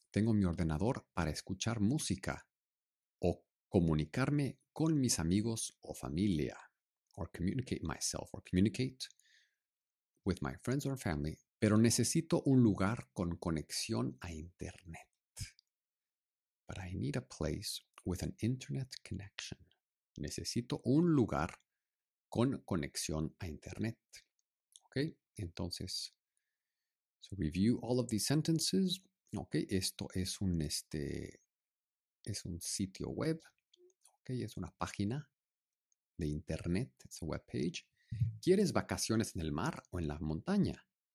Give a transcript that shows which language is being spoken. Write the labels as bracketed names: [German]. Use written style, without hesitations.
[Spanish] Tengo mi ordenador para escuchar música o comunicarme con mis amigos o familia. [English] Or communicate myself. Or communicate with my friends or family. [Spanish] Pero necesito un lugar con conexión a internet. [English] But I need a place with an internet connection. [Spanish] Necesito un lugar con conexión a internet. [English] Okay, entonces, so review all of these sentences. [Spanish] Okay, esto es un es un sitio web. Okay, es una página de internet. [English] It's a web page. [Spanish] ¿Quieres vacaciones en el mar o en la montaña?